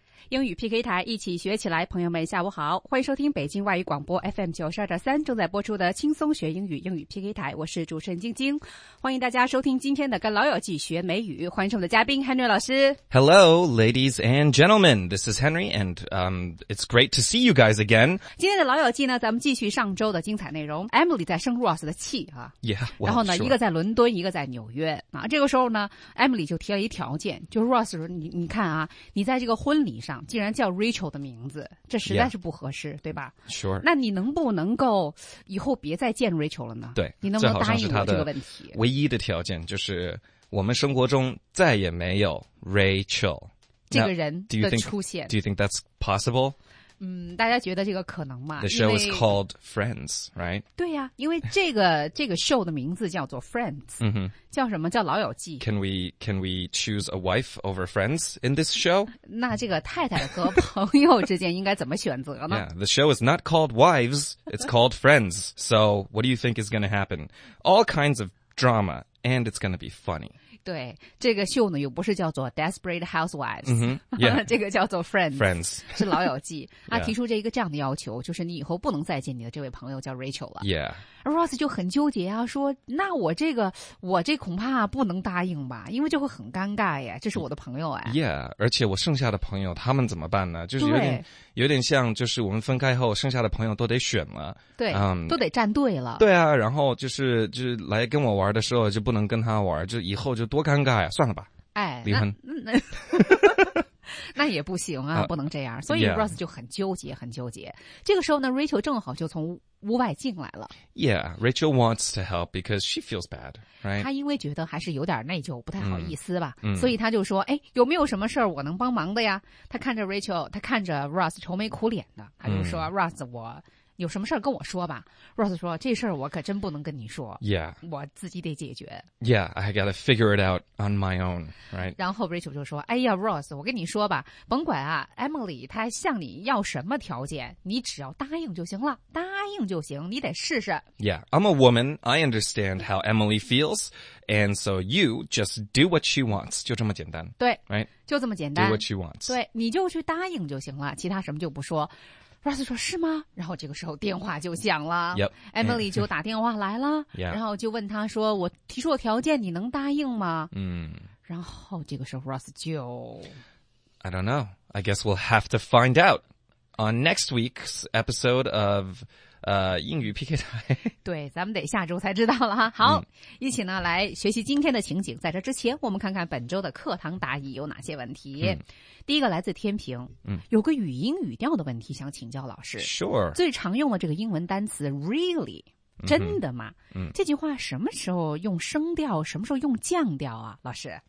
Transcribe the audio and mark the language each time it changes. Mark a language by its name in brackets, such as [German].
[Chinese] 英语 PK 台一起学起来，朋友们下午好，欢迎收听北京外语广播 FM92.3 正在播出的轻松学英语英语 PK 台，我是主持人晶晶，欢迎大家收听今天的跟老友记学美语，欢迎我们的嘉宾 Henry 老师。 [English] Hello, ladies and gentlemen, this is Henry, and it's great to see you guys again. [Chinese] 今天的老友记呢，咱们继续上周的精彩内容。 Emily 在生 Ross 的气啊 [English] ，Yeah， well, [Chinese] 然后呢、 [English] sure. [Chinese] 一个在伦敦，一个在纽约啊，这个时候呢 ，Emily 就提了一条件，就是 Ross 说你看啊，你在这个婚礼上竟然叫 Rachel 的名字，这实在是不合适， [English] yeah. [Chinese] 对吧 [English] ？Sure。 [Chinese] 那你能不能够以后别再见 Rachel 了呢？对，你能不能答应我这个问题？唯一的条件就是我们生活中再也没有 Rachel 这个人的出现。 [English] Do you think that's possible？ [Chinese] 大家觉得这个可能吗 [English] ？The show is called Friends, right? [Chinese] 对呀、啊，因为这个 show 的名字叫做 Friends， 叫什么？叫老友记。 [English] Can we choose a wife over friends in this show? [Chinese] 那这个太太和朋友之间应该怎么选择呢 [English] ？Yeah, the show is not called Wives, it's called Friends. So, what do you think is going to happen? All kinds of drama, and it's going to be funny. [Chinese] 对，这个秀呢又不是叫做 Desperate Housewives、 [English] yeah. [Chinese] 这个叫做 Friends 是老友记 [English] 、yeah. [Chinese] 他提出这一个这样的要求，就是你以后不能再见你的这位朋友叫 Rachel 了、 [English] yeah. [Chinese] Ross 就很纠结啊，说那我这恐怕不能答应吧，因为就会很尴尬呀，这是我的朋友哎。 Yeah， 而且我剩下的朋友他们怎么办呢，就是有点像就是我们分开后剩下的朋友都得选了，对、都得站队了，对啊，然后就是来跟我玩的时候就不能跟他玩，就以后就多尴尬呀，算了吧，哎，离婚。那也不行啊，不能这样，所以 Ross 就很纠结、 [English] yeah. [Chinese] 很纠结。这个时候呢 Rachel 正好就从屋外进来了。 [English] Yeah, Rachel wants to help because she feels bad, right? [Chinese] 她因为觉得还是有点内疚，不太好意思吧。嗯、所以她就说哎，有没有什么事儿我能帮忙的呀，她看着 Rachel, 她看着 Ross 愁眉苦脸的，她就说、Ross, 我有什么事儿跟我说吧。 Ross 说这事儿我可真不能跟你说。 [English] Yeah. [Chinese] 我自己得解决。 [English] Yeah, I gotta figure it out on my own, right? [Chinese] 然后 Rachel 就说哎呀 ,Ross, 我跟你说吧，甭管啊 ,Emily, 她向你要什么条件你只要答应就行了，答应就行，你得试试。 [English] Yeah, I'm a woman, I understand how Emily feels, and so you just do what she wants, [Chinese] 就这么简单。对。 [English] Right? [Chinese] 就这么简单。 [English] Do what she wants. [Chinese] 对，你就去答应就行了，其他什么就不说。 Ross 说是吗，然后这个时候电话就响了、 [English] yep. [Chinese] Emily 就打电话来了、 [English] yeah. [Chinese] 然后就问他说我提出了条件你能答应吗、然后这个时候 Ross 就 [English] I don't know, I guess we'll have to find out on next week's episode of英语 PK 台 [Chinese] 对，咱们得下周才知道了。好、一起呢来学习今天的情景，在这之前我们看看本周的课堂答疑有哪些问题、第一个来自天平、有个语音语调的问题想请教老师。 [English] Sure. [Chinese] 最常用的这个英文单词 really 真的吗、这句话什么时候用升调，什么时候用降调啊老师？